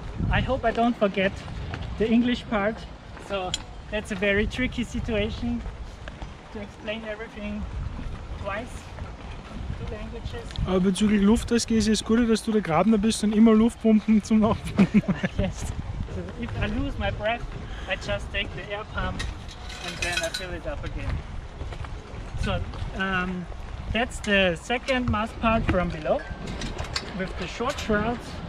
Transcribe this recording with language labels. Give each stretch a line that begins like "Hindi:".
English: I hope I don't forget the English part. So that's a very tricky situation to explain everything twice.
German: Aber bezüglich Luftdruck ist es gut, dass du der Grabner bist und immer Luftpumpen zum Aufpumpen machst.
English: Yes. If I lose my breath, I just take the air pump and then I fill it up again. So, that's the second mast part from below with the short shrouds.